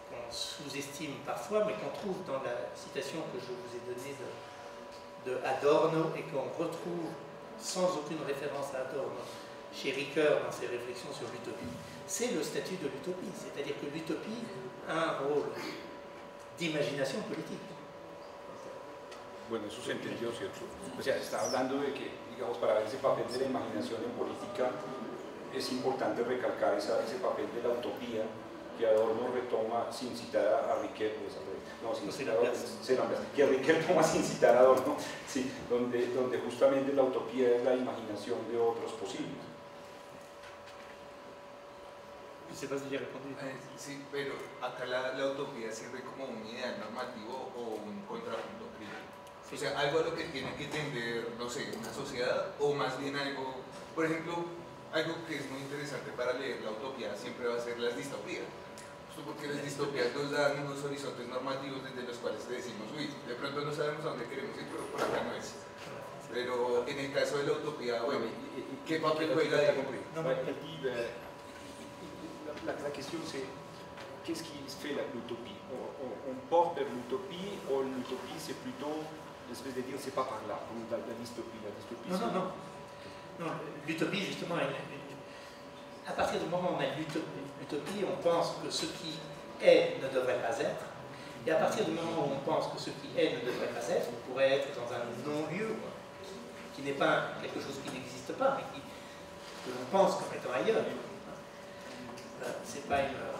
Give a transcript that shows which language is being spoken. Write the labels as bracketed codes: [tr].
[fr] sous-estime parfois, mais qu'on trouve dans la citation que je vous ai donnée de Adorno, et qu'on retrouve sans aucune référence à Adorno chez Ricoeur dans ses réflexions sur l'utopie, c'est le statut de l'utopie, c'est-à-dire que l'utopie a un rôle d'imagination politique. [es] Bueno, eso se entendió, ¿cierto? O sea, está hablando de que, digamos, para ver ese papel de la imaginación en política, es importante recalcar ese papel de la utopía que Adorno retoma sin citar a Riquet, pues, no, sin citar a que Riquet toma sin citar a Adorno, sí, donde justamente la utopía es la imaginación de otros posibles. Se pasa ya respondido. Sí, pero acá la utopía sirve como un ideal normativo o un contrapunto crítico. O sea, algo a lo que tiene que tender, no sé, una sociedad, o más bien algo, por ejemplo, algo que es muy interesante para leer la utopía siempre va a ser las distopías. Justo porque las distopías nos dan unos horizontes normativos desde los cuales decimos, uy, de pronto no sabemos a dónde queremos ir, pero por acá no es. Pero en el caso de la utopía, bueno, ¿qué papel juega ahí? La cuestión es... [fr] Qu'est-ce qui fait l'utopie? On porte vers l'utopie, ou l'utopie c'est plutôt l'espèce de dire c'est pas par là, comme dans la dystopie. La dystopie non, non, non. Non, l'utopie justement, à partir du moment où on a l'utopie, on pense que ce qui est ne devrait pas être, et à partir du moment où on pense que ce qui est ne devrait pas être, on pourrait être dans un non-lieu, qui n'est pas quelque chose qui n'existe pas, mais que l'on pense comme étant ailleurs. C'est pas une.